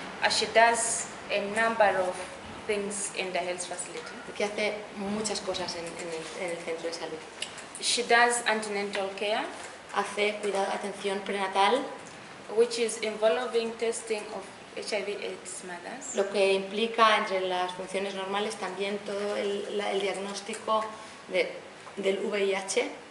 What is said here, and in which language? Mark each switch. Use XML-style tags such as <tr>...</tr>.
<en>She does a number of things in the health facility.</en> <es>Porque hace muchas cosas en el centro de salud.</es> <en>She does antenatal care.</en> <es>Hace cuidado, atención prenatal,</es> <en>which is involving testing of HIV/AIDS mothers.</en> <es>Lo que implica entre las funciones normales también todo el diagnóstico del VIH.</es>